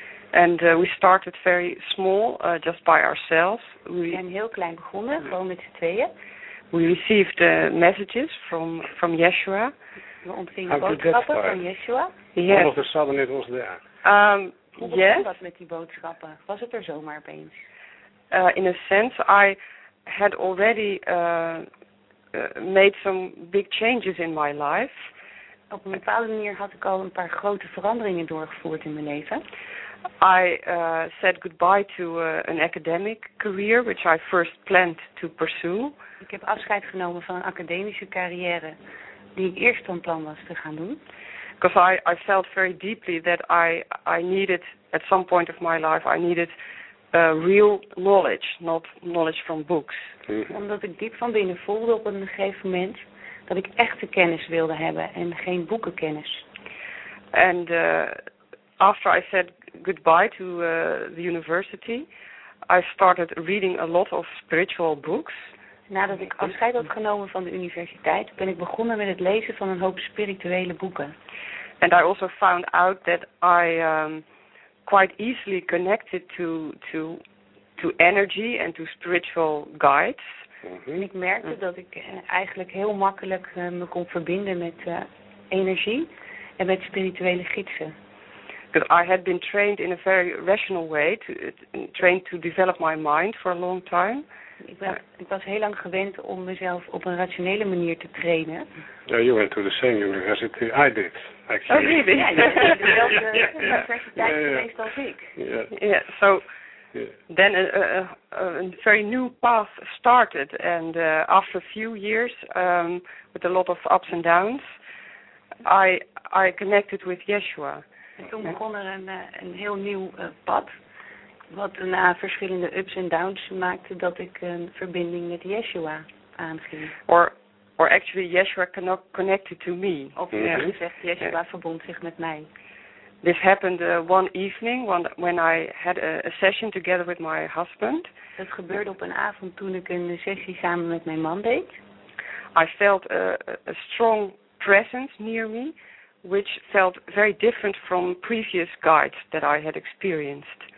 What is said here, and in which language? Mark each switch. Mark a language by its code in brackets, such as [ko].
[en] And we started very small, just by ourselves. [nl] We zijn heel klein begonnen, gewoon met z'n tweeën. [en] We received messages from Yeshua. [nl] We ontvingen boodschappen van Yeshua. [en] Yes. All of a sudden it was there. Yes. [nl] Hoe begon dat met die boodschappen? Was het er zomaar opeens? [en] In a sense, I had already made some big changes in my life. [nl] Op een bepaalde manier had ik al een paar grote veranderingen doorgevoerd in mijn leven. [en] I said goodbye to an academic career, which I first planned to pursue. [nl] Ik heb afscheid genomen van een academische carrière die ik eerst van plan was te gaan doen. [en] Because I felt very deeply that I needed, at some point of my life, I needed real knowledge, not knowledge from books. Mm-hmm. [nl] Omdat ik diep van binnen voelde op een gegeven moment dat ik echte kennis wilde hebben en geen boekenkennis. [en] And after I said goodbye to the university, I started reading a lot of spiritual books. [nl] Nadat ik afscheid had genomen van de universiteit, ben ik begonnen met het lezen van een hoop spirituele boeken. [en] And I also found out that I quite easily connected to energy and to spiritual guides. Mm-hmm. [nl] En ik merkte dat ik eigenlijk heel makkelijk me kon verbinden met energie en met spirituele gidsen. [en] Because I had been trained in a very rational way, trained to develop my mind for a long time. [nl] Ik was heel lang gewend om mezelf op een rationele manier te trainen. [en] Yeah, you went to the same university I did, actually. Oh, really? [nl] Ja, dezelfde universiteit geweest als ik. Ja, yeah. [en] So then a very new path started. And after a few years, with a lot of ups and downs, I I connected with Yeshua. [nl] En toen begon er een heel nieuw pad, wat na verschillende ups en downs maakte dat ik een verbinding met Yeshua aanging. [en] Or actually Yeshua connected to me. [nl] Of eerlijk gezegd, Yeshua verbond zich met mij. [en] This happened one evening when I had a session together with my husband. [nl] Het gebeurde op een avond toen ik een sessie samen met mijn man deed. [en] I felt a strong presence near me, which felt very different from previous guides that I had experienced.